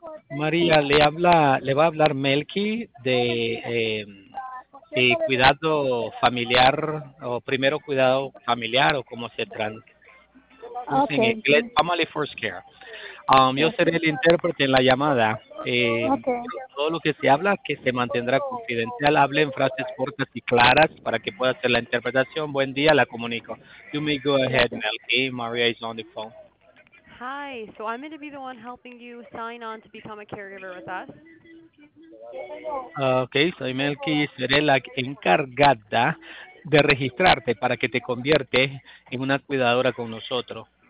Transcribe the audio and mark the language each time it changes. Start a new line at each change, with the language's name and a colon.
Spanish: María, le habla, le va a hablar Melky de cuidado familiar o primero cuidado familiar o como se traduce en inglés. Family First Care. Yo seré el intérprete en la llamada. Todo lo que se habla, que se mantendrá confidencial. Hable en frases cortas y claras para que pueda hacer la interpretación. Buen día, la comunico.
English: You may go ahead, Melky. Maria is on the phone. Hi, so I'm going to be the one helping you sign on to become a caregiver with us.
Spanish: Okay, soy Melky. Seré la encargada de registrarte para que te conviertas en una cuidadora con nosotros.